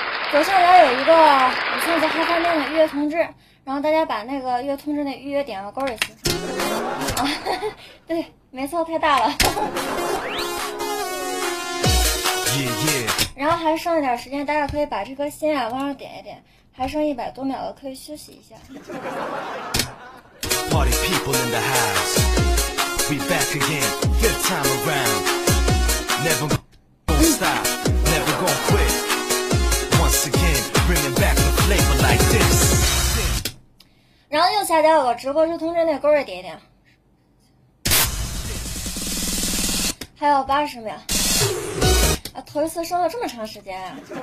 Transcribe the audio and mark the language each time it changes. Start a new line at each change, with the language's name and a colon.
Chinese: 左上角有一个我现在开饭店的预约通知，然后大家把那个预约通知那预约点个勾就行。啊，对，没错，太大了。然后还剩一点时间，大家可以把这颗心啊往上点一点，还剩100多秒了，可以休息一下。
English: Party people in the house, we back again, good time around, never gonna stop, never gonna quit, once again bringing back the flavor like this.
Chinese: 然后右下角有个直播室通知，那勾着点一点，还有80秒。啊，头一次生了这么长时间啊！